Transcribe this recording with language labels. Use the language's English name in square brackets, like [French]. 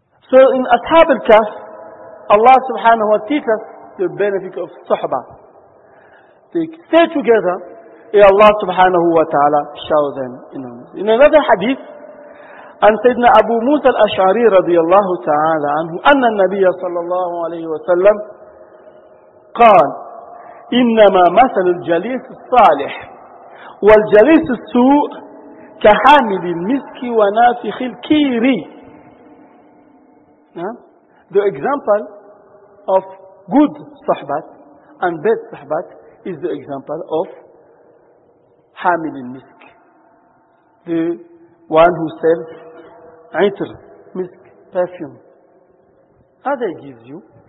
[English] So in Ashab al-Kahf, Allah subhanahu wa ta'ala teaches the benefit of sahba. They stay together, and Allah subhanahu wa ta'ala show them. In another hadith, [Arabic] عن سيدنا أبو موسى الأشعري رضي الله تعالى عنه أن النبي صلى الله عليه وسلم قال إنما مثل الجليس الصالح والجليس السوء كحامل المسك ونافخ الكيري. [English] The example of good صحبات and bad صحبات is the example of [Arabic] حامل المسك, [English] the one who sells [Arabic] عطر, مسك, [English] perfume. Other gives you.